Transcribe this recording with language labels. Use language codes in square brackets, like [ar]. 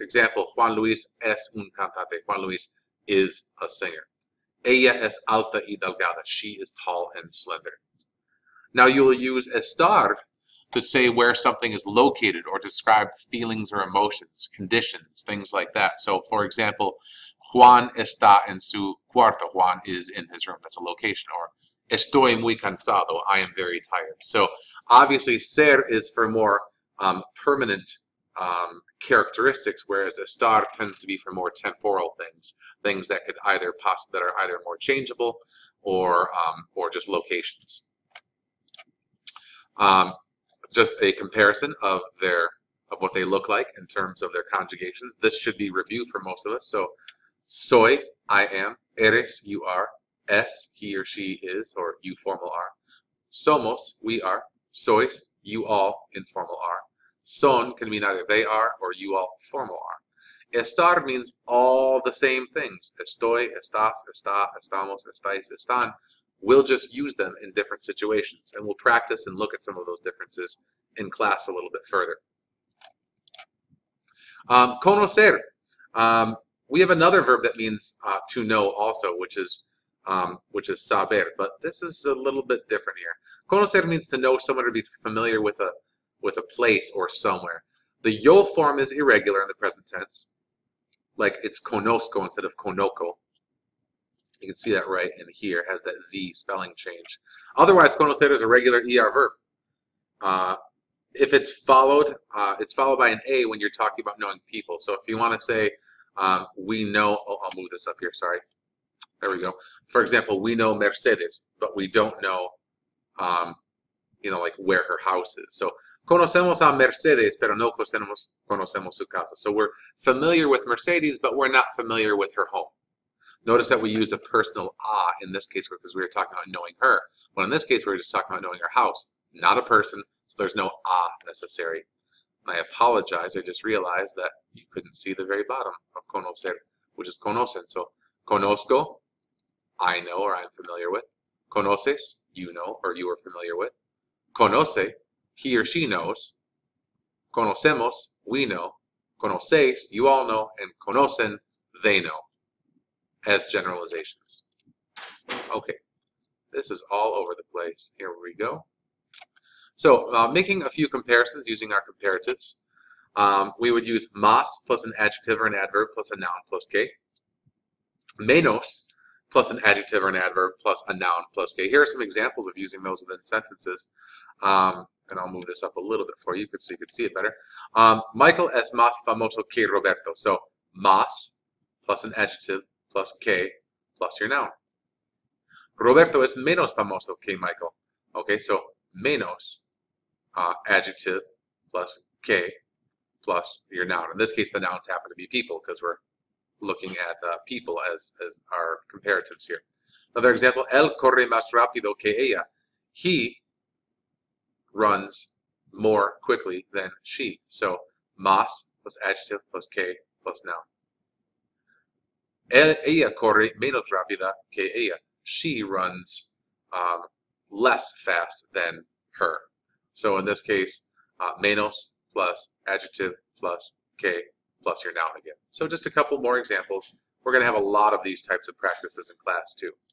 [en] Example, Juan Luis [es] es un cantante. [en] Juan Luis is a singer. [es] Ella es alta y delgada. [en] She is tall and slender. Now you will use estar to say where something is located or describe feelings or emotions, conditions, things like that. So, for example, [es] Juan está en su cuarto. [en] Juan is in his room. That's a location. Or [es] estoy muy cansado. [en] I am very tired. So, obviously, ser is for more permanent characteristics, whereas estar tends to be for more temporal things, things that could either that are either more changeable or just locations. Just a comparison of what they look like in terms of their conjugations. This should be review for most of us. So soy, I am, eres, you are, es, he or she is, or you formal are, somos, we are, sois, you all, informal are. Son can mean either they are or you all, formal are. Estar means all the same things. [es] Estoy, estás, está, estamos, estáis, están. [en] We'll just use them in different situations. And we'll practice and look at some of those differences in class a little bit further. Conocer. We have another verb that means to know also, which is saber. But this is a little bit different here. Conocer means to know someone or be familiar with a place or somewhere. The yo form is irregular in the present tense. Like it's conozco instead of conoco. You can see that right in here. It has that Z spelling change. Otherwise, conocer is a regular ER verb. If it's followed, it's followed by an A when you're talking about knowing people. So if you want to say, we know, oh, I'll move this up here, sorry. There we go. For example, we know Mercedes, but we don't know, you know, like where her house is. [es] So, conocemos a Mercedes, pero no conocemos su casa. [en] So we're familiar with Mercedes, but we're not familiar with her home. Notice that we use a personal a in this case because we were talking about knowing her. But in this case, we're just talking about knowing her house, not a person. So there's no a necessary. And I apologize. I just realized that you couldn't see the very bottom of conocer, which is conocen. So conozco, I know or I'm familiar with. Conoces, you know or you are familiar with. Conoce, he or she knows. Conocemos, we know. Conocéis, you all know. And conocen, they know. As generalizations. Okay. This is all over the place. Here we go. So making a few comparisons using our comparatives, we would use más plus an adjective or an adverb plus a noun plus que. Menos plus an adjective or an adverb plus a noun plus que. Here are some examples of using those within sentences. And I'll move this up a little bit for you so you can see it better. [es] Michael es más famoso que Roberto. [en] So más plus an adjective plus que plus your noun. [es] Roberto es menos famoso que Michael. [en] Okay, so menos adjective plus que plus your noun. In this case, the nouns happen to be people because we're looking at people as our comparatives here. Another example, [es] él corre más rápido que ella. [en] He runs more quickly than she. So más plus adjective plus que plus noun. [es] Ella corre menos rápida que ella. [en] She runs less fast than her. So in this case, menos plus adjective plus que plus your noun again. So just a couple more examples. We're going to have a lot of these types of practices in class too.